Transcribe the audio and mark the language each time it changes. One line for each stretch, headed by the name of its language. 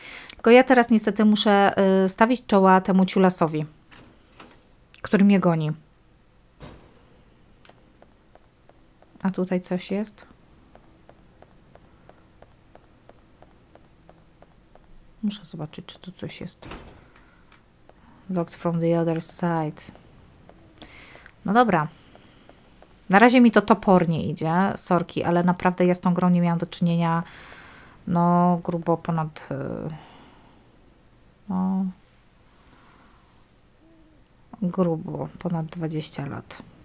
Polish: Tylko ja teraz niestety muszę stawić czoła temu ciulasowi, który mnie goni. A tutaj coś jest? Muszę zobaczyć, czy tu coś jest.
English: Locked from the other side.
Polish: No dobra. Na razie mi to topornie idzie, sorki, ale naprawdę ja z tą grą nie miałam do czynienia no grubo ponad... No, grubo, ponad 20 lat.